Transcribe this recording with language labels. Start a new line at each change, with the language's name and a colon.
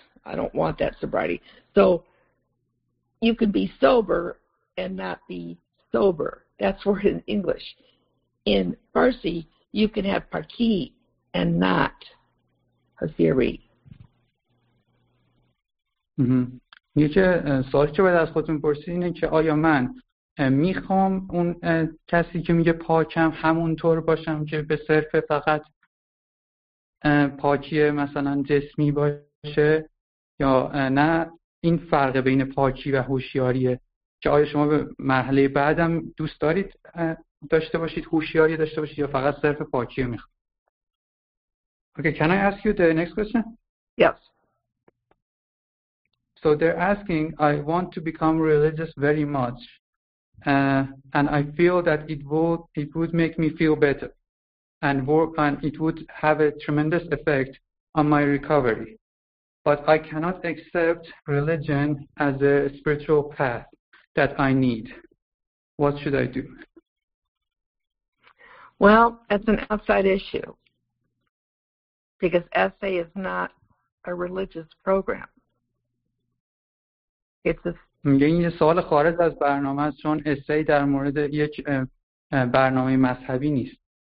English: I don't want that sobriety. So you can be sober and not be sober. That's where in English. In Farsi, you can have parki and not a theory.
Persian: یه چه سوالی که باید از خودتون پرسید اینه که آیا من میخوام اون کسی که میگه پاکم همونطور باشم که به صرف فقط پاکی مثلا جسمی باشه یا نه این فرق بین پاکی و هوشیاریه که آیا شما به مرحله بعدم دوست دارید داشته باشید هوشیاری داشته باشید یا فقط صرف پاکی رو میخوام
English: Okay, can I ask you the next question? Yes. So they're asking, I want to become religious very much, and I feel that it would make me feel better, and work, and it would have a tremendous effect on my recovery. But I cannot accept religion as a spiritual path that I need. What should I do? Well, that's an outside issue, because SA is not a religious program.
Persian: میگه این یه سوال خارج از برنامه است چون اسی در مورد یک برنامه مذهبی نیست.